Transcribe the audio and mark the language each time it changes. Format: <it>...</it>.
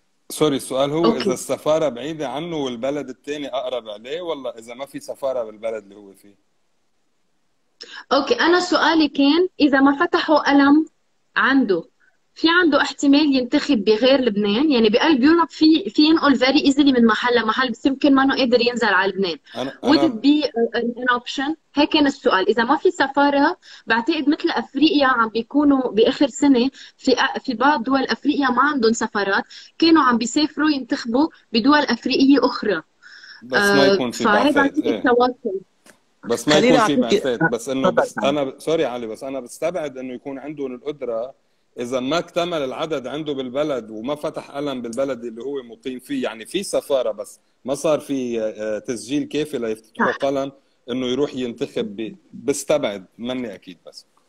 <ar>سوري السؤال هو اذا السفاره بعيده عنه والبلد الثاني اقرب عليه، ولا اذا ما في سفاره بالبلد اللي هو فيه؟ اوكي انا سؤالي كان اذا ما فتحوا قلم عنده في عنده احتمال ينتخب بغير لبنان، يعني بقلب يوروب في ينقل</ar> <en>very easily</en> <ar>من محل لمحل بس يمكن ما انه قادر ينزل على لبنان.</ar> <en>Would it be an option؟</en> <ar>هيك كان السؤال. اذا ما في سفاره بعتقد مثل افريقيا عم بيكونوا باخر سنه في بعض دول افريقيا ما عندهم سفارات كانوا عم بيسافروا ينتخبوا بدول افريقيه اخرى بس ما يكون في بعثات بس ما يكون في بعثات بس انه بس انا سوري علي بس انا بستبعد انه يكون عندهم القدره إذا ما اكتمل العدد عنده بالبلد وما فتح قلم بالبلد اللي هو مقيم فيه، يعني في سفارة بس ما صار في تسجيل كافي ليفتح قلم إنه يروح ينتخب بستبعد مني أكيد بس.</ar>